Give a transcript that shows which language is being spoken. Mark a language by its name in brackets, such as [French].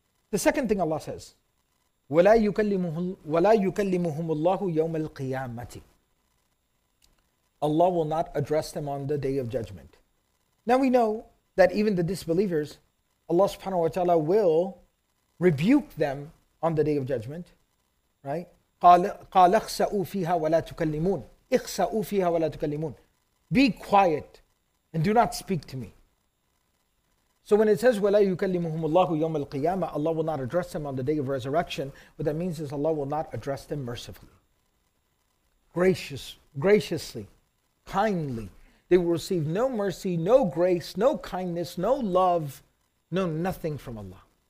[English] The second thing Allah says, [Arabic] وَلَا يُكَلِّمُهُمُ اللَّهُ يَوْمَ الْقِيَامَةِ. [English] Allah will not address them on the Day of Judgment. Now we know that even the disbelievers, Allah subhanahu wa ta'ala will rebuke them on the Day of Judgment, right? [Arabic] قال اخسأوا فيها ولا تكلمون اخسأوا فيها ولا تكلمون. [English] Be quiet and do not speak to me. So when it says [Arabic] وَلَا يُكَلِّمُهُمُ اللَّهُ يَوْمَ الْقِيَامَةِ, [English] Allah will not address them on the Day of Resurrection, what that means is Allah will not address them mercifully. Graciously, kindly. They will receive no mercy, no grace, no kindness, no love, no nothing from Allah.